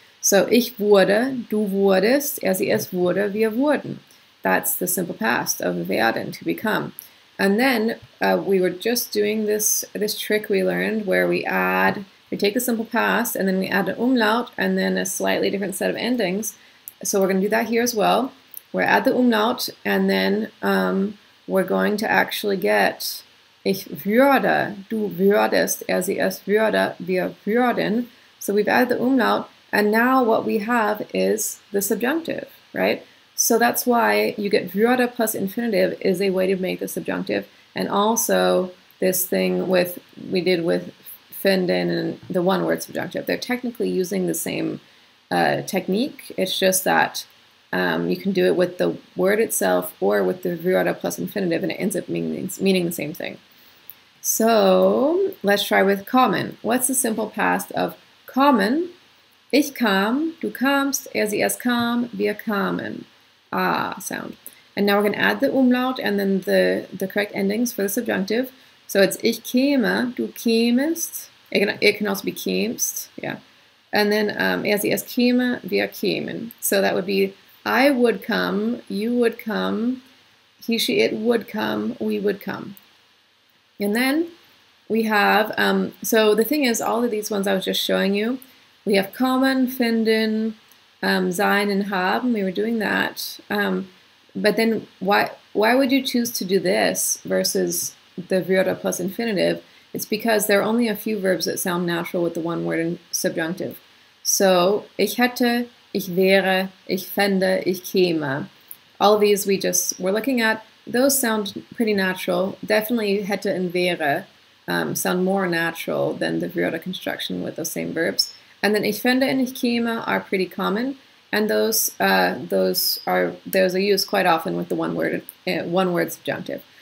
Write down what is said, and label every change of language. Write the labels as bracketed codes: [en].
[de] So ich wurde, du wurdest, er sie es wurde, wir wurden. [en] That's the simple past of werden, to become. And then we were just doing this trick we learned where we take the simple past and then we add an umlaut and then a slightly different set of endings. So we're going to do that here as well. We're add the umlaut and then we're going to actually get ich würde, du würdest, er sie es würde, wir würden. So we've added the umlaut and now what we have is the subjunctive, right? So that's why you get würde plus infinitive is a way to make the subjunctive. And also this thing we did with finden and the one word subjunctive. They're technically using the same technique. It's just that you can do it with the word itself or with the würde plus infinitive and it ends up meaning the same thing. So let's try with kommen. What's the simple past of kommen? [de] Ich kam, du kamst, er sie es kam, wir kamen. [en] Ah, sound. And now we're going to add the umlaut and then the correct endings for the subjunctive. So it's ich käme, du kämest. It can also be kämst, yeah. And then er sie es käme, wir kämen. So that would be I would come, you would come, he, she, it would come, we would come. And then we have, so the thing is, all of these ones I was just showing you, we have kommen, finden, sein and haben, we were doing that. But then why would you choose to do this versus the würde plus infinitive? It's because there are only a few verbs that sound natural with the one word in subjunctive. [de] So ich hätte, ich wäre, ich fände, ich käme. [en] All of these we just were looking at. Those sound pretty natural. Definitely hätte and wäre sound more natural than the würde construction with those same verbs. And then ich fände and ich käme are pretty common. And those are used quite often with the one word subjunctive.